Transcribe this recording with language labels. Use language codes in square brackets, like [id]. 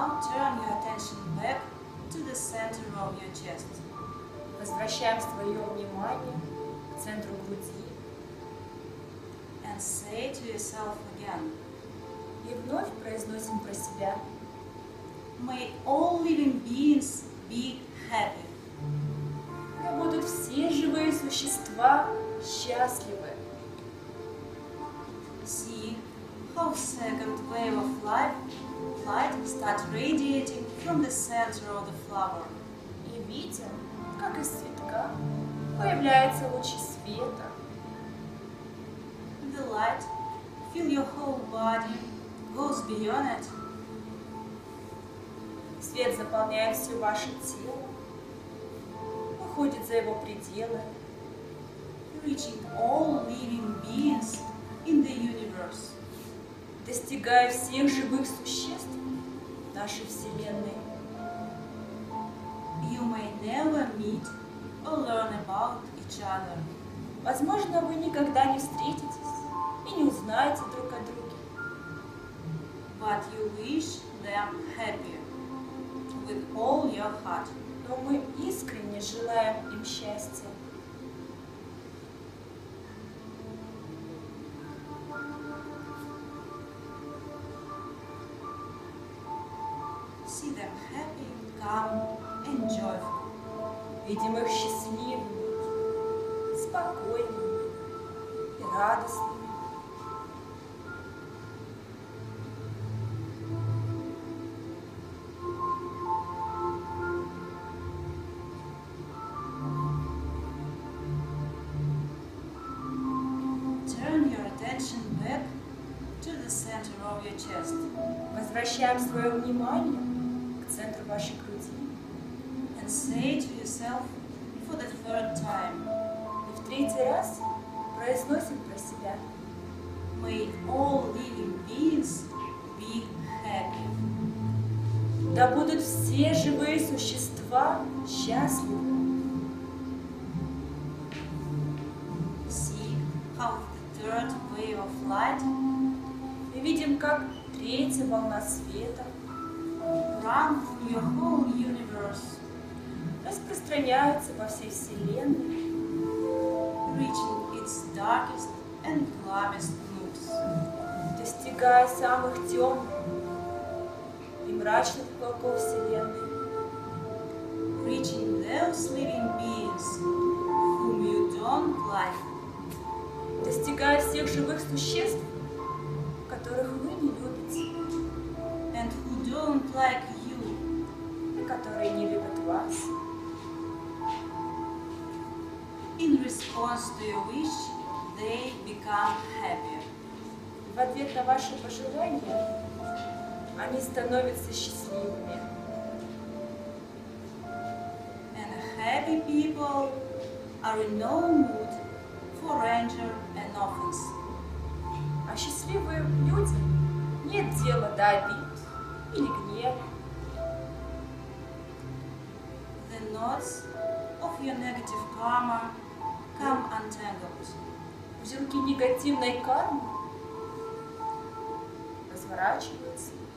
[en] turn your attention back to the center of your chest. [ru] Возвращаем свое внимание к центру груди. [en] And say to yourself again. [ru] И вновь произносим про себя. [en] May all living beings be happy. [ru] Да будут все живые существа счастливы. [en] See how second wave of life light will start radiating from the center of the flower. [ru] И видим, как из цветка появляются лучи света. [en] The light fill your whole body, goes beyond it. [ru] Свет заполняет все ваше тело, выходит за его пределы, [en] reaching all living beings in the universe, [ru] достигая всех живых существ нашей Вселенной. [en] You may never meet or learn about each other. [ru] Возможно, вы никогда не встретитесь и не узнаете друг о друге. [en] But you wish them happy with all your heart. [ru] Но мы искренне желаем им счастья. [en] See them happy, calm, and joyful. [ru] Видим их счастливыми, спокойными и радостными. [en] Turn your attention back to the center of your chest. [ru] Возвращаем свое внимание центр вашей груди. [en] And say to yourself for the third time. [ru] И в третий раз произносим про себя. [en] May all living beings be happy. [ru] Да будут все живые существа счастливы. [en] See how the third wave of light. [ru] Мы видим, как третья волна света [en] run through your whole universe. [ru] Распространяется во всей Вселенной. [en] Reaching its darkest and gloomiest nooks. [ru] Достигая самых темных и мрачных уголков Вселенной. [en] Reaching those living beings whom you don't like. [ru] Достигая всех живых существ, которых вы не любите. [en] And who don't like you, [ru] которые не любят вас. [en] In response to your wish, they become happier. [ru] В ответ на ваше пожелание, они становятся счастливыми. [en] And happy people are in no mood for anger and offense. [ru] А счастливые люди нет дела до обид или гнева. [en] Knots of your negative karma come untangled. [ru] Узелки негативной кармы разворачиваются.